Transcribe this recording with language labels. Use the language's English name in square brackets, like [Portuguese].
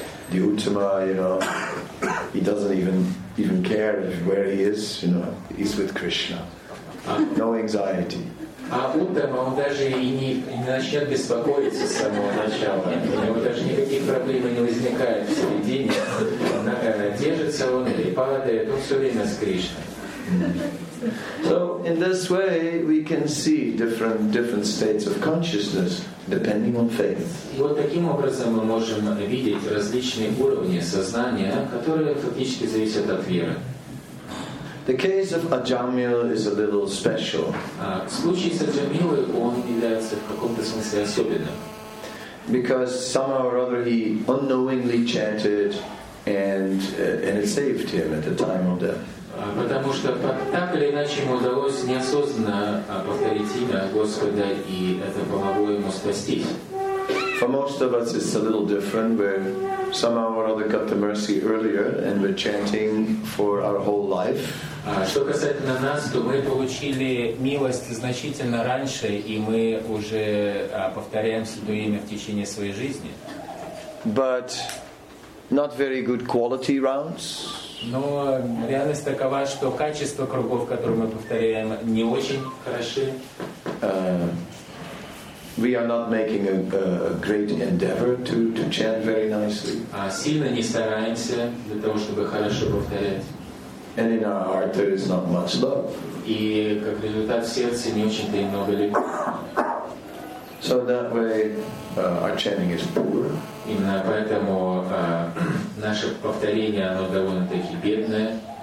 [English] The Uttama, you know, he doesn't even care if where he is, you know, he's with Krishna. No anxiety. [Russian] А Уттама, он даже и не начнет беспокоиться с самого начала. У него даже никаких проблем не возникает в середине. Однако держится он или падает, он все время с Кришной. [English] So in this way we can see different states of consciousness depending on faith. [Russian] И вот таким образом мы можем видеть различные уровни сознания, которые фактически зависят от веры. [English] The case of Ajamil is a little special. [Russian] Случай с Аджамилой, он является в каком-то смысле особенным. [English] Because somehow or other he unknowingly chanted and it saved him at the time of death. [Russian] Потому что так или иначе ему удалось неосознанно повторить имя Господа, и это помогло ему спастись. [English] For most of us it's a little different where somehow or other got the mercy earlier and we're chanting for our whole life. [Russian] Что касательно нас, то мы получили милость значительно раньше, и мы уже повторяем Святое Имя в течение своей жизни. [English] But not very good quality rounds. [Russian] Но реальность такова, что качество кругов, которые мы повторяем, не очень хороши. [English] We are not making a great endeavor to chant very nicely. [Russian] Сильно не стараемся для того, чтобы хорошо повторять. [English] And in our heart there is not much love. [Russian] И как результат в сердце не очень-то и много любви. [English] So that way our chanting is poor. [Russian] Именно поэтому наше повторение оно довольно-таки бедное.